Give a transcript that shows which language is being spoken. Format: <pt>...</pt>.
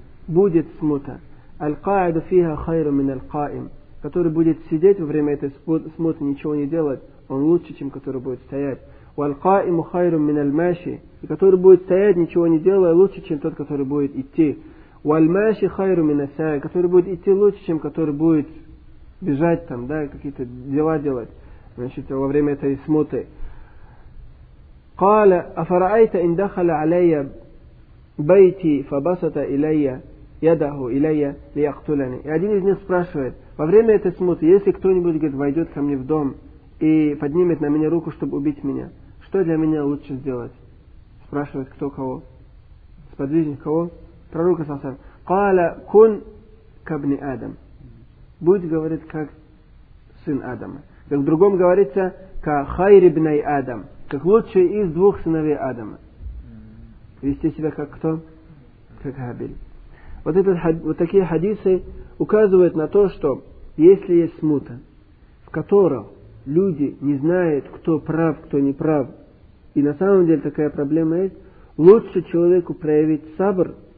<ru>будет смута,</ru> <ar>«аль-каиду фиха хайру мин аль-каим»,</ar> <ru>который будет сидеть во время этой смуты, ничего не делать, он лучше, чем который будет стоять,</ru> <ar>«валь-каиму хайру мин аль-маши»,</ar> <ru>и который будет стоять, ничего не делая, лучше, чем тот, который будет идти,</ru> <ar>«валь-маши хайру мин аль-сай»,</ar> <ru>который будет идти лучше, чем который будет бежать там, да, какие-то дела делать, значит, во время этой смуты.</ru> <ar>قال أفرأيت إن دخل علي بيتي فبسط إلي يده إلي ليقتلني.</ar> <ru>И один из них спрашивает: во время этой смуты, если кто-нибудь, говорит, войдет ко мне в дом и поднимет на меня руку, чтобы убить меня, что для меня лучше сделать? Спрашивает кто кого? Сподвижник кого? Пророк сказал:</ru> <ar>قال كن كابن آدم.</ar> <ru>Будь, говорит, как сын Адама. Как в другом говорится,</ru> <ar>ка хайри бней Адам.</ar> <ru>Как лучший из двух сыновей Адама. Вести себя как кто? Как Хабиль. Вот этот, вот такие хадисы указывают на то, что если есть смута, в которой люди не знают, кто прав, кто не прав, и на самом деле такая проблема есть, лучше человеку проявить сабр</ru>